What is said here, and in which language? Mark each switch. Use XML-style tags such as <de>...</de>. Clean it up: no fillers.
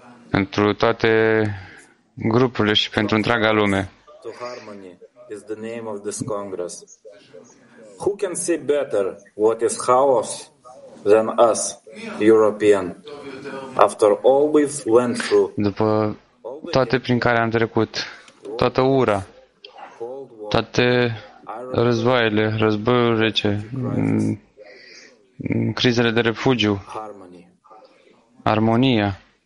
<ro>Pentru toate grupurile și pentru întreaga lume.</ro> <en>Is the name of this congress. Who can say better what is chaos than us, European? After all we've went through,</en> <ro>după toate prin care am trecut, toată ura, toate războaiele, războiul rece, crizele de refugiu, armonia.</ro>